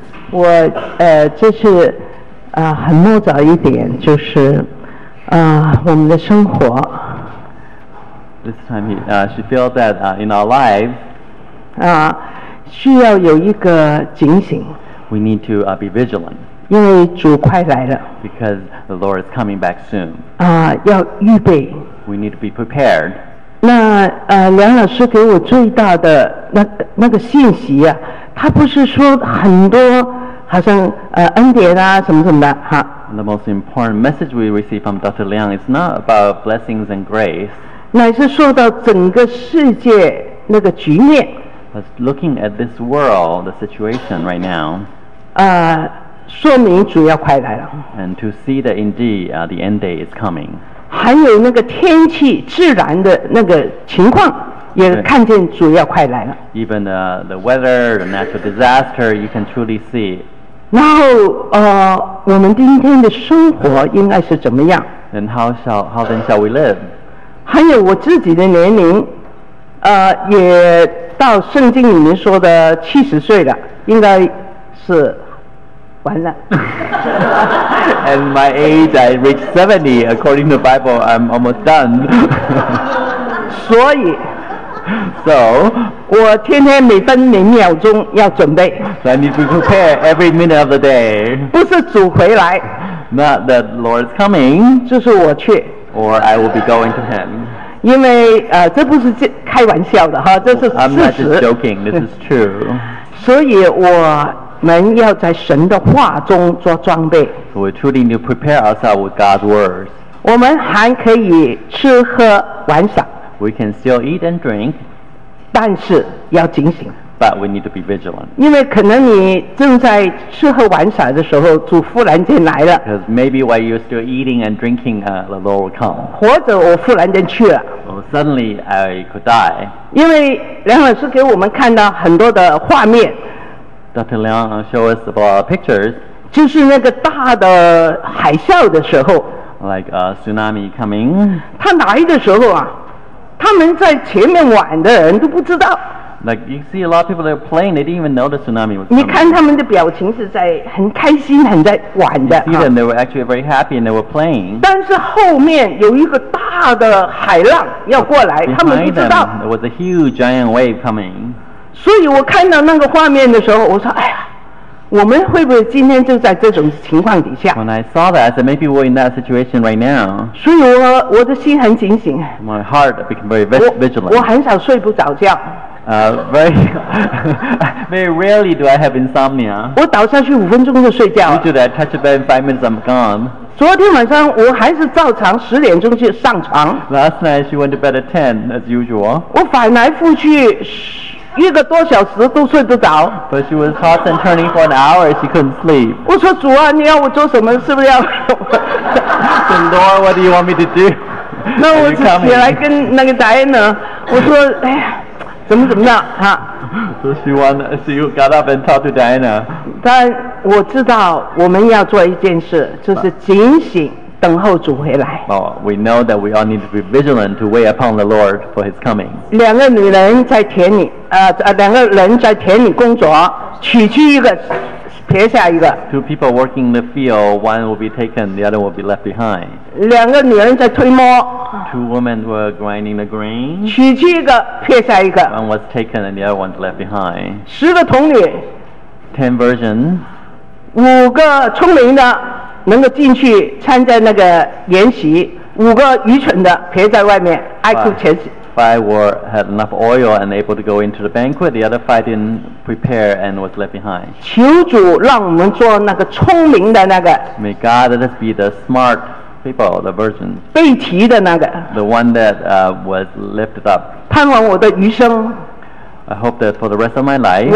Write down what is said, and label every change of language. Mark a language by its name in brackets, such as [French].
[Chinese] 我这次很木早一点，就是我们的生活。 [English] This time, she feels that in our lives, [Chinese] 需要有一个警醒。 [English] We need to be vigilant. [Chinese] 因为主快来了。 [English] Because the Lord is coming back soon. [Chinese] 要预备。 [English] We need to be prepared. [Chinese] 那梁老师给我最大的那个信息啊，他不是说很多，好像恩典啊什么什么的哈。 [English] The most important message we receive from Dr. Liang is not about blessings and grace. [Chinese] 乃是说到整个世界那个局面。 [English] But looking at this world, the situation right now, [Chinese] 说明主要快来了。 [English] And to see that indeed, the end day is coming. [Chinese] 还有那个天气自然的那个情况，也看见主要快来了。 [English] Even the weather, the natural disaster, you can truly see. [Chinese] 然后我们今天的生活应该是怎么样？ [English] Then how then shall we live? [Chinese] 还有我自己的年龄，也到圣经里面说的七十岁了，应该是完了。 [English] And my age, I reached 70. According to the Bible, I'm almost done. [Chinese] 所以 [English] ，So， [Chinese] 我天天每分每秒钟要准备。 [English] So I need to prepare every minute of the day. [Chinese] 不是主回来 [English] ，Not the Lord's coming. [Chinese] 就是我去。 [English] Or I will be going to him. [Chinese] 因为这不是开玩笑的哈，这是事实。 [English] I'm not just joking. This is true. [Chinese] 所以我们要在神的话中做装备。 [English] So we truly need to prepare ourselves with God's words. [Chinese] 我们还可以吃喝玩耍。 [English] We can still eat and drink. [Chinese] 但是要警醒。 [English] But we need to be vigilant. [Chinese] 因为可能你正在吃喝玩耍的时候，主忽然间来了。 [English] Because maybe while you're still eating and drinking, the Lord will come. [Chinese] 或者我忽然间去了。 [English] Or suddenly I could die. [Chinese] 因为梁老师给我们看到很多的画面。 [English] Dr. Liang showed us about our pictures. [Chinese] 就是那个大的海啸的时候。 [English] Like a tsunami coming. [Chinese] 他来的时候啊，他们在前面玩的人都不知道。 [English] Like you see a lot of people that are playing, they didn't even know the tsunami was coming. [Chinese] 你看他们的表情是在很开心，很在玩的。 [English] You see them, they were actually very happy and they were playing. [Chinese] 但是后面有一个大的海浪要过来，他们不知道。 [English] Behind them, there was a huge giant wave coming. [Chinese] 所以我看到那个画面的时候，我说，哎呀。我们会不会今天就在这种情况底下 [English] When I saw that, I said maybe we're in that situation right now [Chinese] 所以 我的心很警醒 [English] My heart became very vigilant [Chinese] 我很少睡不着觉 [English] very rarely do I have insomnia [Chinese] 我倒下去五分钟就睡觉 [English] You do that, touch a bed in 5 minutes, I'm gone [Chinese] 昨天晚上我还是照常十点钟去上床 [English] Last night she went to bed at 10, as usual [Chinese] 我反来覆去一个多小时都睡不着 [English] But she was tossing and turning for an hour She couldn't sleep [Chinese] 我说主啊你要我做什么是不是要 [English] The Lord what do you want me to do [Chinese] 那我起来跟那个 Diana 我说哎呀怎么怎么样 [English] So she got up and talked to Diana [Chinese] 但我知道我们要做一件事就是警醒等候主回来 [English] Oh, we know that we all need to be vigilant to wait upon the Lord for His coming [Chinese] 两个女人在田里两个人在田里工作取去一个撇下一个 [English] Two people working in the field one will be taken the other will be left behind [Chinese] 两个女人在推磨 [English] Two women were grinding the grain [Chinese] 取去一个撇下一个 [English] One was taken and the other one left behind [Chinese] 十个童女 [English] 10 virgins [Chinese] 五个聪明的能够进去参加那个筵席五个愚蠢的陪在外面爱哭前席 [English] Five were had enough oil and able to go into the banquet The other five didn't prepare and was left behind [Chinese] 求主让我们做那个聪明的那个 [English] May God let us be the smart people, the virgin [Chinese] 被提的那个 [English] The one that was lifted up [Chinese] 盼望我的余生 [English] I hope that for the rest of my life